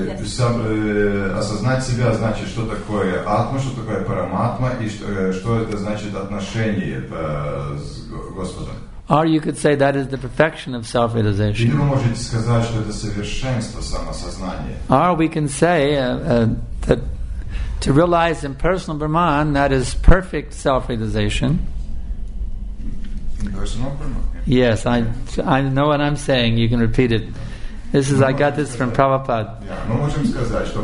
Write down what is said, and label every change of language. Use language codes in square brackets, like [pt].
[ru] Осознать себя значит, что такое Атма, что такое Параматма, и что это значит отношение с Господом. [en] Or you could say that is the perfection of self-realization. [ru] Или вы можете сказать, что это совершенство самосознания. [en] Or we can say that to realize impersonal Brahman, that is perfect self-realization. Impersonal Brahman. Yes, I know what I'm saying. You can repeat it. This is, I got this from Prabhupada.